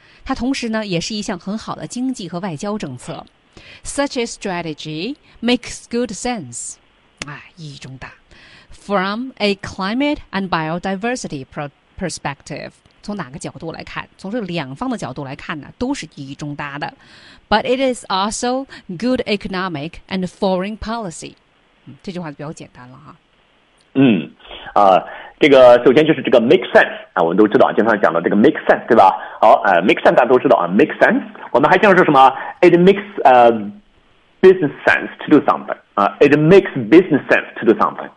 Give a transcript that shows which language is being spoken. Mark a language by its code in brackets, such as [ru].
[zh] 它同时呢，也是一项很好的经济和外交政策。 [en] Such a strategy makes good sense， [zh] 啊，意义重大。 [en] From a climate and biodiversity perspective， [zh] 从哪个角度来看？从这两方的角度来看呢，都是意义重大的。 [en] But it is also good economic and foreign policy。 [zh] 嗯，这句话就比较简单了哈。嗯，这个首先就是这个 make sense 啊，我们都知道，经常讲的这个 make sense， 对吧？好，make sense 大家都知道啊 ，make sense。我们还经常说什么 ？ [en] It makes business sense to do something [zh] 啊、，It makes business sense to do something。